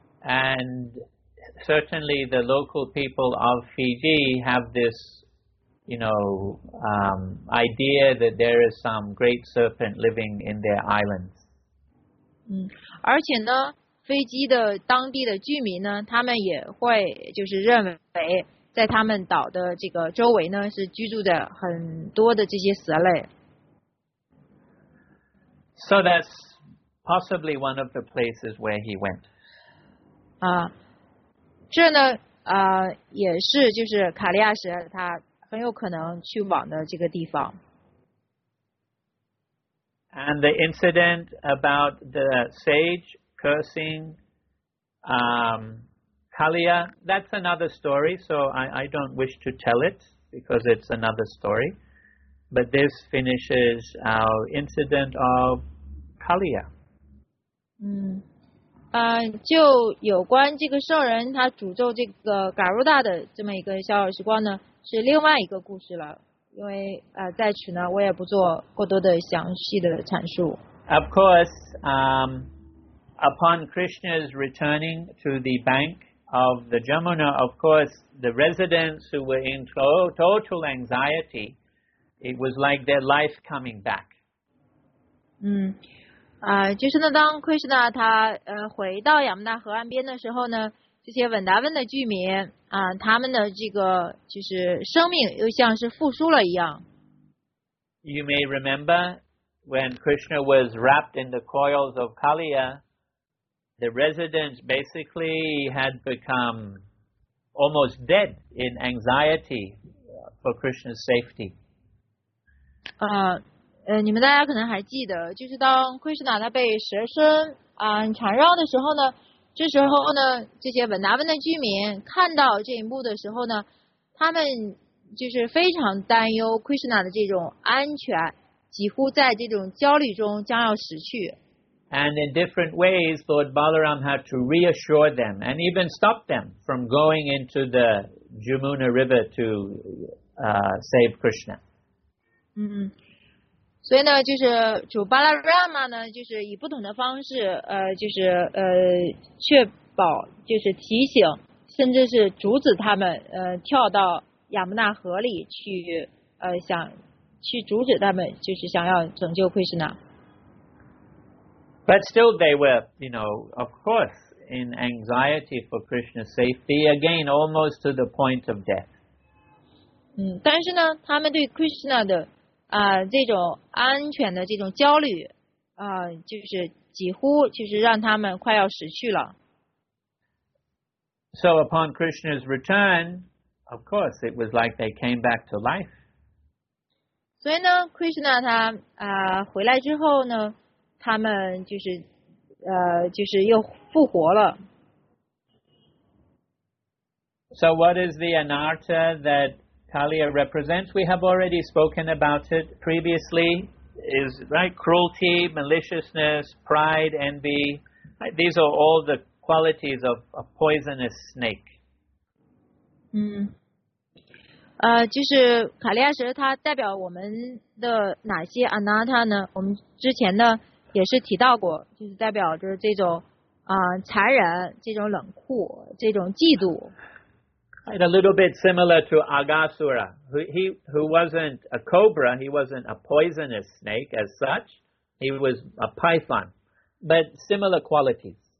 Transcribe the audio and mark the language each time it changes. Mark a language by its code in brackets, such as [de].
[en] And certainly the local people of Fiji have this, you know, idea that there is some great serpent living in their islands. [zh] 而且呢飞机的当地的居民呢他们也会就是认为在他们岛的这个周围呢是居住的很多的这些蛇类。 [en] So that's possibly one of the places where he went. [zh] 这呢也是就是卡利亚蛇他很有可能去往的这个地方。 [en] And the incident about the sage cursing Kaliya, that's another story, so I don't wish to tell it because it's another story. But this finishes our incident of Kaliya. [zh] 就有关这个圣人他诅咒这个嘎鲁达的这么一个小耳时光呢，是另外一个故事了。因为在此呢，我也不做过多的详细的阐述。 [en] Of course, upon Krishna's returning to the bank of the Jamuna, of course, the residents who were in total anxiety, it was like their life coming back. [zh] 就是呢，当 Krishna 他回到亚穆纳河岸边的时候呢，这些文达温的居民他们的这个就是生命又像是复苏了一样。 [en] You may remember when Krishna was wrapped in the coils of Kaliya, the residents basically had become almost dead in anxiety for Krishna's safety. [zh] 你们大家可能还记得，就是当 Krishna 他被蛇身缠绕的时候呢。这时候呢，这些文达温的居民看到这一幕的时候呢，他们就是非常担忧 Krishna 的这种安全，几乎在这种焦虑中将要死去。 [en] And in different ways, Lord Balaram had to reassure them and even stop them from going into the Jamuna River to save Krishna. [zh] 所以呢，就是主巴拉拉玛呢，就是以不同的方式，就是确保，就是提醒，甚至是阻止他们，跳到亚穆纳河里去，想去阻止他们，就是想要拯救奎什纳。 [en] But still, they were, you know, of course, in anxiety for Krishna's safety, again, almost to the point of death. [zh] 但是呢，他们对奎什纳的这种安全的这种焦虑就是几乎就是让他们快要死去了。 [en] So upon Krishna's return, of course, it was like they came back to life. [zh] 所以呢 ,Krishna 他回来之后呢他们就是又复活了。 [en] So what is the anarta that Kaliya represents? We have already spoken about it previously. Is right, cruelty, maliciousness, pride, envy. Right? These are all the qualities of a poisonous snake. [zh] 就是卡利亚蛇它代表我们的哪些 anatta 呢？我们之前呢也是提到过，就是代表就是这种残忍、这种冷酷、这种嫉妒。 [en] And a little bit similar to Agasura, who wasn't a cobra, he wasn't a poisonous snake as such, he was a python, but similar qualities.